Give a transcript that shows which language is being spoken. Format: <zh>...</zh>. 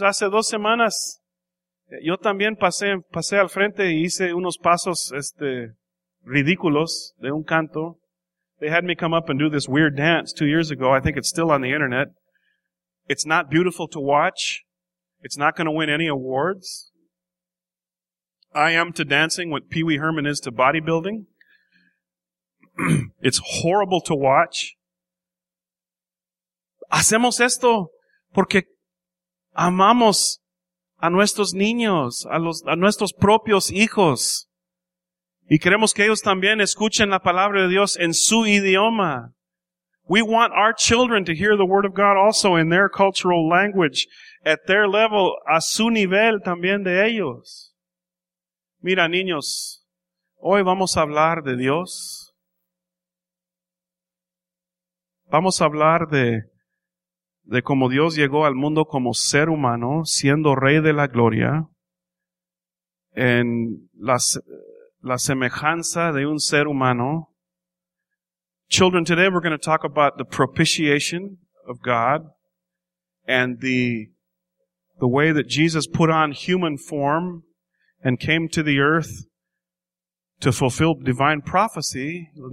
<es>Hace dos semanas, yo también pasé al frente y hice unos pasos, ridículos de un canto.</es> <en>They had me come up and do this weird dance 2 years ago. I think it's still on the internet. It's not beautiful to watch. It's not going to win any awards. I am to dancing what Pee Wee Herman is to bodybuilding. It's horrible to watch.</en> <es>Hacemos esto porque amamos a nuestros niños, a nuestros propios hijos. Y queremos que ellos también escuchen la palabra de Dios en su idioma.</es> <en>We want our children to hear the word of God also in their cultural language, at their level,</en> <es>a su nivel también de ellos. Mira, niños, hoy vamos a hablar de Dios. Vamos a hablar de cómo Dios llegó al mundo como ser humano, siendo Rey de la Gloria, en la semejanza de un ser humano.</es> <en>Children, today we're going to talk about the propitiation of God and the way that Jesus put on human form and came to the earth to fulfill divine prophecy.</en>